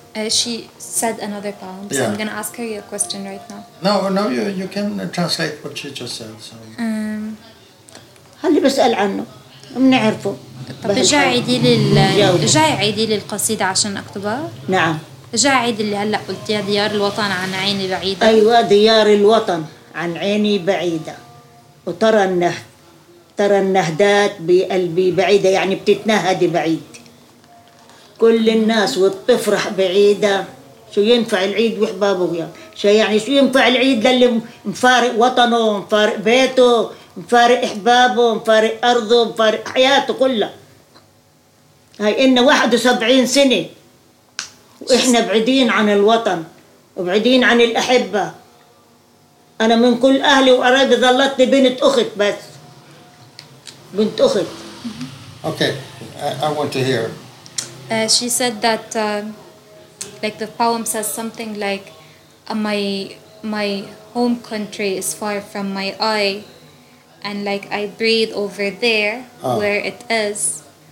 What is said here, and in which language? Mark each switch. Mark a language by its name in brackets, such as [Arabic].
[English] She said another poem, so I'm going to ask her your question right now. No, you can translate what she just said. [Arabic] هل بسأل عنه؟ منعرفه. طب جاي عيدي للقصيدة عشان أكتبها؟ نعم. جاي عيدي اللي هلأ قلتيها ديار الوطن عن عيني بعيدة. أيوة ديار الوطن عن عيني بعيدة وترى النهدات بقلبي بعيدة يعني بتتنهد بعيد. كل الناس وبتفرح بعيدة شو ينفع العيد وحباب وغياب شو يعني شو ينفع العيد للي مفارق وطنه مفارق بيته مفارق احبابه مفارق ارضه مفارق حياته كلها هاي إنا 71 سنة واحنا بعيدين عن الوطن وبعيدين عن الاحبة انا من كل اهلي وقرايبي ظلتني بنت اخت بس بنت اخت. [English] Okay, I want to hear. She said that, like the poem says something like, my home country is far from my eye, and like I breathe over there where it is.